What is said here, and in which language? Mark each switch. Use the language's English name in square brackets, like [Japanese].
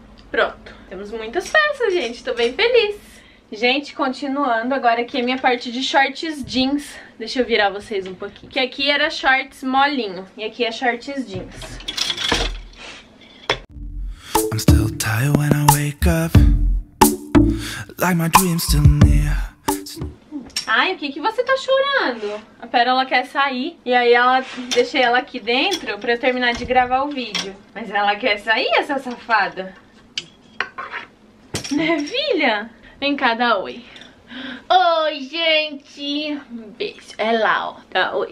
[Portuguese] Pronto. Temos muitas peças, gente. Tô bem feliz. Gente, continuando, agora aqui é minha parte de shorts jeans. Deixa eu virar vocês um pouquinho. Que aqui era shorts molinho e aqui é shorts jeans. [English] I'm still tired when I wake up, like my dream's still near. [Portuguese] Ai, o que que você tá chorando? A Pérola quer sair. E aí ela, deixei ela aqui dentro pra eu terminar de gravar o vídeo. Mas ela quer sair, essa safada. Né, filha? Vem cá, dá oi. Oi, gente. Um beijo. É lá, ó. Tá, oi.